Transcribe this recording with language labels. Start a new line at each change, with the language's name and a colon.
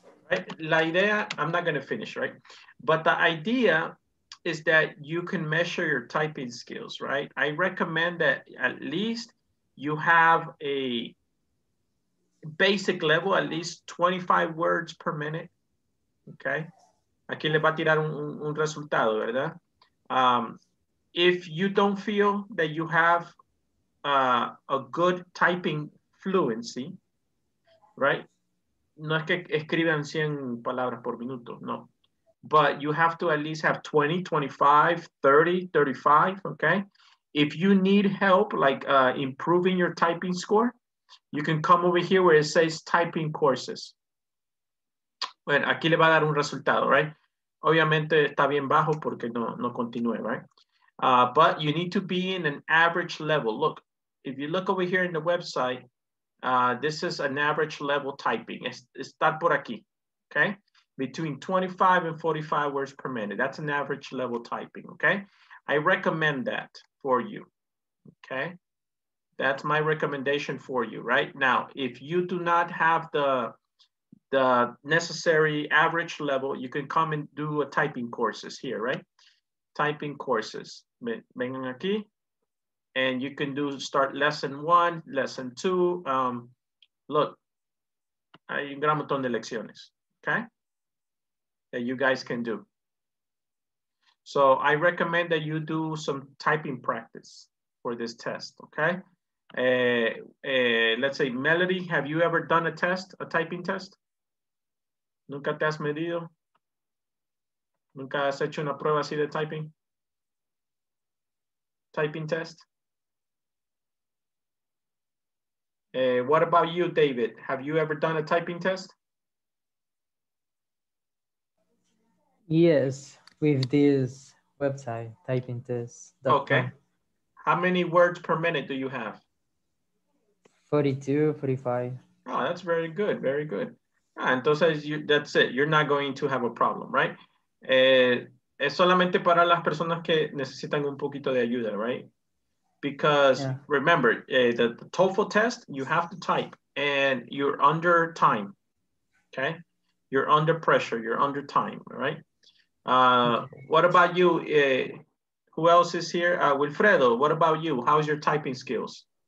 English: Right?
Spanish: La idea,
English: I'm not going to finish, right? But the idea is that you can measure your typing skills, right? I recommend that at least you have a basic level, at least 25 words per minute, okay?
Spanish: Aquí le va a tirar un resultado, ¿verdad?
English: If you don't feel that you have a good typing fluency, right?
Spanish: No es que escriban 100 palabras por minuto, no.
English: But you have to at least have 20, 25, 30, 35, okay? If you need help, like improving your typing score, you can come over here where it says typing courses.
Spanish: Bueno, aquí le va a dar un resultado, right? Obviamente está bien bajo porque no continúe, right?
English: But you need to be in an average level. Look, if you look over here in the website, this is an average level typing.
Spanish: Está por aquí,
English: okay? Between 25 and 45 words per minute. That's an average level typing, okay? I recommend that for you, okay? That's my recommendation for you, right? Now, if you do not have the necessary average level, you can come and do a typing courses here, right? Typing courses.
Spanish: Vengan aquí.
English: And you can do start lesson one, lesson two.
Spanish: Look, hay un gran montón de lecciones, okay?
English: That you guys can do. So I recommend that you do some typing practice for this test, okay? Let's say, Melody, have you ever done a test, a typing test?
Spanish: ¿Nunca te has medido? ¿Nunca has hecho una prueba así de typing?
English: Typing test? What about you, David? Have you ever done a typing test? Yes, with this website, typing test. Okay. How many words per minute do you have? 42, 45. Oh, that's very good, very good. Ah, entonces, that's it. You're not going to have a problem, right?
Spanish: Es solamente para las personas que necesitan un poquito de ayuda, right?
English: Because yeah. Remember, the TOEFL test, you have to type and you're under time, okay? You're under pressure, you're under time, right? What about you? Who else is here? Wilfredo, what about you? How's your typing skills?